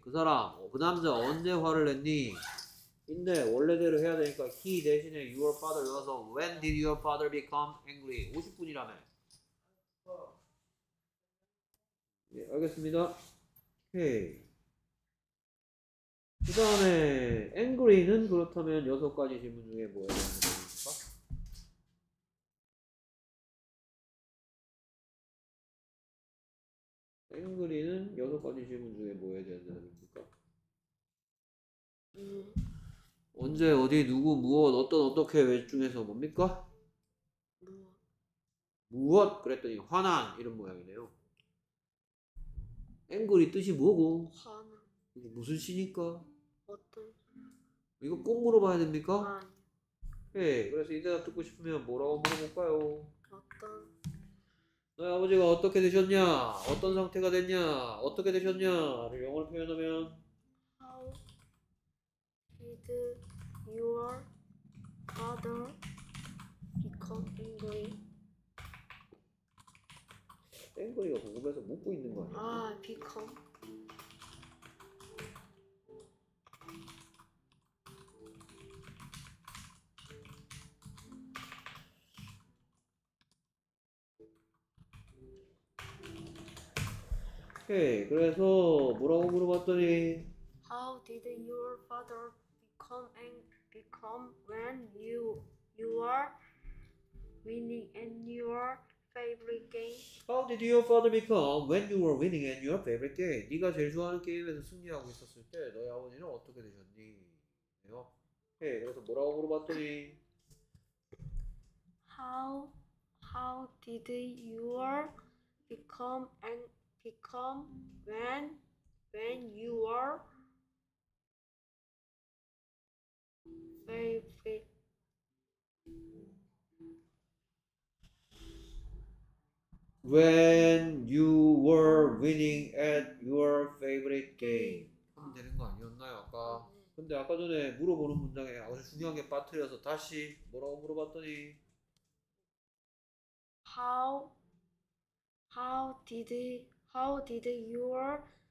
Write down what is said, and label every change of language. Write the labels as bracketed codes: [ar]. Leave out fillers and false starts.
[ko] 그 사람, 그 남자 언제 화를 냈니? 근데 원래대로 해야 되니까 [en] he [ko] 대신에 [en] your father [ko] 넣어서 [en] when did your father become angry? [ko] 50분이라며 네, 알겠습니다. 오케이. 그 다음에 angry는 그렇다면 여섯 가지 질문 중에 뭐예요? 앵그리는 여섯 가지 질문 중에 뭐에 대한 대답입니까? 언제 어디 누구 무엇 어떤 어떻게 왜 중에서 뭡니까? 무엇 그랬더니 화난 이런 모양이네요. 앵그리 뜻이 뭐고? 화난 이게 무슨 시니까? 어떤 이거 꼭 물어봐야 됩니까? 아니 네, 그래서 이 대답 듣고 싶으면 뭐라고 물어볼까요? 어떤 너의 아버지가 어떻게 되셨냐? 어떤 상태가 됐냐? 어떻게 되셨냐? 를 영어로 표현하면 [en] How did your father become angry? [ko] angry가 궁금해서 묻고 있는 거 아니야? [en] 아, become [ko] 오케이. 그래서 뭐라고 물어봤더니 [en] How did your father become when you are winning in your favorite game? How did your father become when you were winning in your favorite game? [ko] 네가 제일 좋아하는 게임에서 승리하고 있었을 때 너희 아버지는 어떻게 되셨니? 네요. 오케이. 그래서 뭐라고 물어봤더니 [en] How did your become and become when you are favorite When you were winning at your favorite game [ko] 하면 되는 거 아니었나요 아까? 근데 아까 전에 물어보는 문장에 아주 중요한 게 빠뜨려서 다시 뭐라고 물어봤더니 [en] How did your